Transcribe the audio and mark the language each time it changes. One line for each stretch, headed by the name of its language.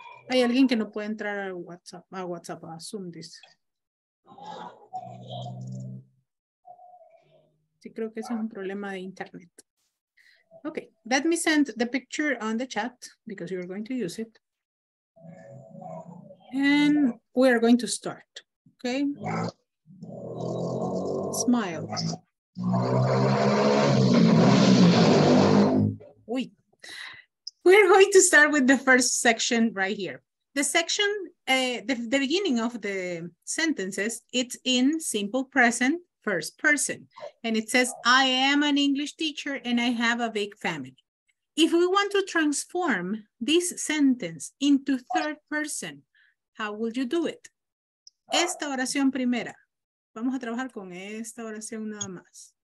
Spanish: Hay alguien que no puede entrar a WhatsApp, a Zoom, dice. Sí, creo que ese es un problema de internet.
English: Okay, let me send the picture on the chat because you're going to use it. And we are going to start, okay? Smile. Oui. We're going to start with the first section right here. The section, the beginning of the sentences, it's in simple present. First person, and it says, I am an English teacher and I have a big family. If we want to transform this sentence into third person, how will you do it?
Spanish: Esta oración primera. Vamos a trabajar con esta oración nada más.